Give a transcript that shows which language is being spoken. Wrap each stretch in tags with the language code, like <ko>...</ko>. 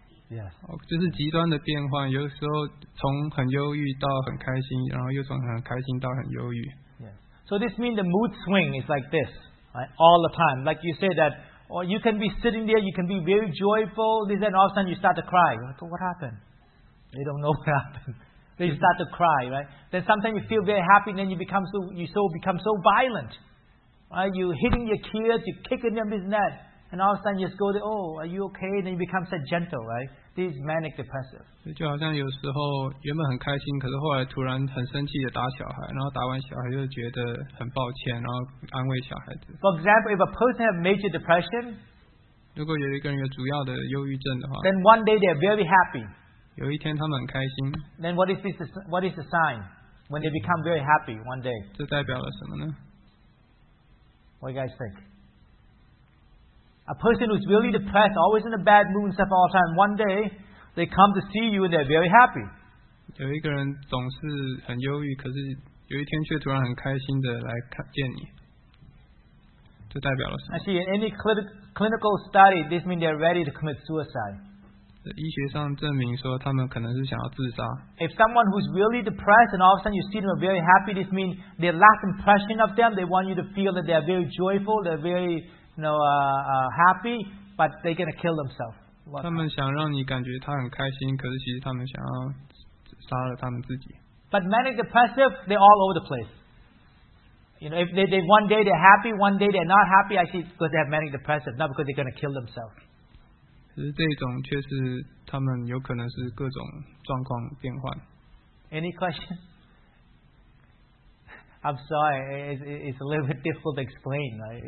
<zh>Yeah. 哦，就是极端的变换，有时候从很忧郁到很开心，然后又从很开心到很忧郁。</zh> <en>Yeah. So this means the mood swing is like this, right? All the time. Like you say that, or you can be sitting there, you can be very joyful, then all of a sudden you start to cry. You're like, what happened? They don't know what happened. Then you start to cry, right? Then sometimes you feel very happy, and then you become so violent. Right? You're hitting your kids, you're kicking them, this and that. And all of a sudden you just go, oh, are you okay? And then you become so gentle, right? This is manic depressive.</en> <zh>就好像有时候原本很开心，可是后来突然很生气的打小孩，然后打完小孩就觉得很抱歉，然后安慰小孩子。</zh> <en>For example, if a person has major depression,</en> <zh>如果有一个人有主要的忧郁症的话，</zh> <en>then one day they're very happy.</en> <zh>有一天他们很开心。</zh> <en>Then what is the sign when they become very happy one day?</en> <zh>这代表了什么呢？</zh> <en>What do you guys think? A person who's really depressed, always in a bad mood and stuff all the time, one day, they come to see you and they're very happy.</en> <zh>有一个人总是很忧郁，可是有一天却突然很开心的来见你。这代表了什么？</zh> <en>Actually, in any clinical study, this means they're ready to commit suicide.</en> <zh>医学上证明说他们可能是想要自杀。</zh> <en>If someone who's really depressed and all of a sudden you see them very happy, this means their last impression of them, they want you to feel that they're very joyful, they're very... happy, but they're going to kill themselves.</en> <zh>他们想让你感觉他很开心，可是其实他们想要杀了他们自己。</zh> <en>But manic depressive, they're all over the place. You know, if they one day they're happy, one day they're not happy, actually it's because they have manic depressive, not because they're going to kill themselves.</en> <zh>其实这种却是他们有可能是各种状况变换。</zh> <en>Any question? I'm sorry, it's a little bit difficult to explain.</en>